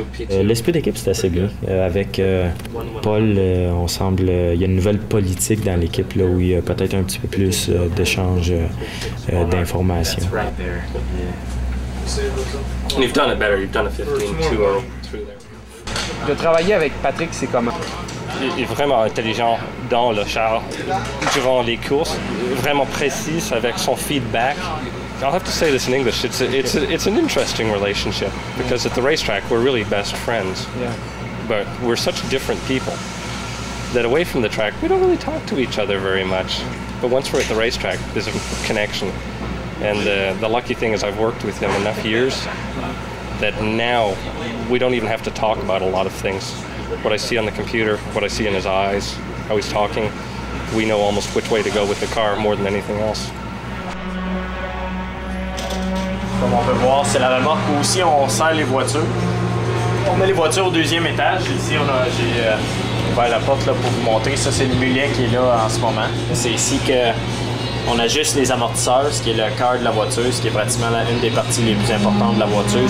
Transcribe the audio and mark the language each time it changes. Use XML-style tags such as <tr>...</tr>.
<fr>L'esprit d'équipe, c'est assez bien. Avec Paul, on semble, il y a une nouvelle politique dans l'équipe là, où il y a peut-être un petit peu plus d'échanges d'informations.</fr> <en>You've done it better. You've done a 15-2-0 through there.</en> <fr>De travailler avec Patrick, c'est comment? Il est vraiment intelligent dans le char durant les courses. Vraiment précis avec son feedback.</fr> <en>I'll have to say this in English. It's an interesting relationship because at the racetrack we're really best friends. Yeah. But we're such different people that away from the track we don't really talk to each other very much. But once we're at the racetrack, there's a connection. And the lucky thing is I've worked with him enough years that now we don't even have to talk about a lot of things. What I see on the computer, what I see in his eyes, how he's talking, we know almost which way to go with the car more than anything else.</en> <fr>Comme on peut voir, c'est la remorque où aussi on sert les voitures. On met les voitures au deuxième étage. Ici, j'ai ouvert la porte là, pour vous montrer. Ça, c'est le mulet qui est là en ce moment. C'est ici que... On ajuste les amortisseurs, ce qui est le cœur de la voiture, ce qui est pratiquement une des parties les plus importantes de la voiture.</fr>